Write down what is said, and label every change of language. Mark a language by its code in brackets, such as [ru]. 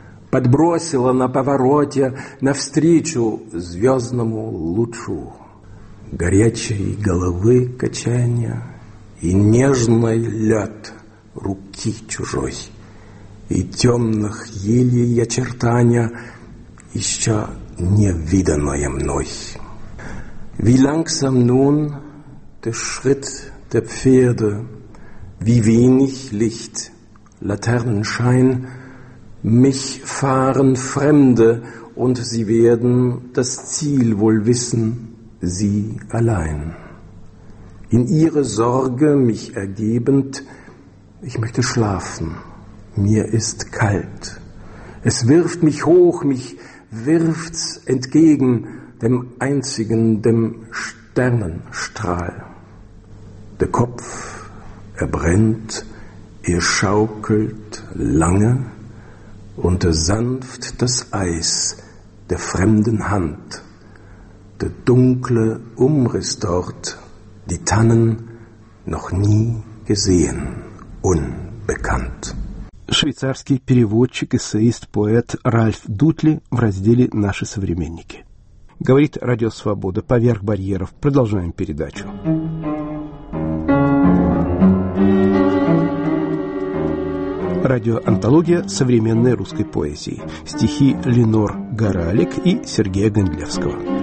[ru] Подбросила на повороте навстречу звездному лучу. Горячей головы качанья и нежный лед руки чужой, и темных елей очертания, еще не виданное мной. [de] Wie langsam nun der Schritt der Pferde, wie wenig Licht, Laternenschein, mich fahren Fremde, und sie werden das Ziel wohl wissen, sie allein. In ihre Sorge mich ergebend, ich möchte schlafen, mir ist kalt. Es wirft mich hoch, mich wirft's entgegen dem einzigen, dem Sternenstrahl. Der Kopf, er brennt, er schaukelt lange, und sanft das Eis der fremden Hand. der dunkle Umriss dort, die Tannen noch nie gesehen, unbekannt. [ru] Швейцарский переводчик, эссеист, поэт Ральф Дутли в разделе «Наши современники». Говорит Радио Свобода. Поверх барьеров. Продолжаем передачу. Радиоантология современной русской поэзии. Стихи Ленор Горалик и Сергея Гондлевского.